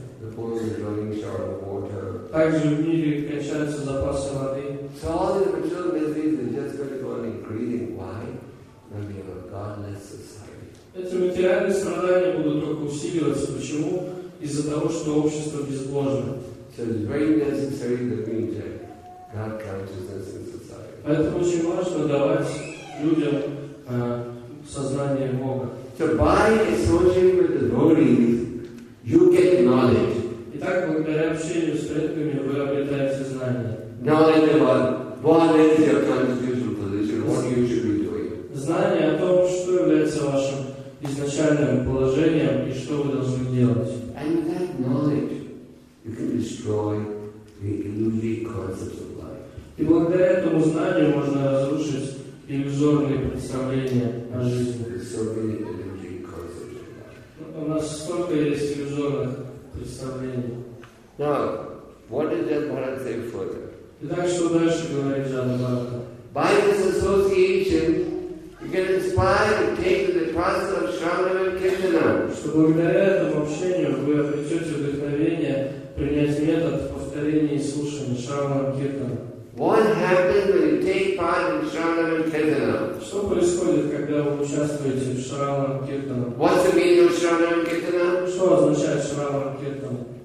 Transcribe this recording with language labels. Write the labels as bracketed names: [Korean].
[English] The poor is running short of water. [Russian] Также в мире кончаются запасы воды. [English] So all these material miseries are just going to go on increasing. Why? When we have a godless society. [Russian] Эти материальные страдания будут только усиливаться. Почему? Из-за того, что общество безбожно. [English] So it's very necessary that we inject God consciousness in society. [Russian] Поэтому очень важно давать людям сознание Бога. [English] So by associating with the devotees, you get knowledge. [Russian] Итак, благодаря общению с предками вы обретаете знания. [English] Knowledge about what is your constitutional position, what you should be doing. [Russian] Знание о том, что является вашим изначальным положением и что вы должны делать. [English] And with that knowledge, you can destroy the illusory concepts of life. [Russian] И благодаря этому знанию можно разрушить иллюзорные представления о жизни. [English] There's so many illusory concepts of life. [Russian] У нас столько есть иллюзорных представлений. [English] Now, what is that what I say further? [Russian] Итак, что дальше говорит Джана Бхарата? [English] By this association, you get inspired to take the process of Shravana Kirtana. [Russian] Что благодаря этому общению вы обретете вдохновение принять метод повторения и слушания Шравана Киртана. [English] What happens when you take part in Shravana Kirtana? [Russian] Что происходит, когда вы участвуете в Шравана Киртана? [English] What's the meaning of Shravana Kirtana? [Russian] Что означает Шравана Киртана?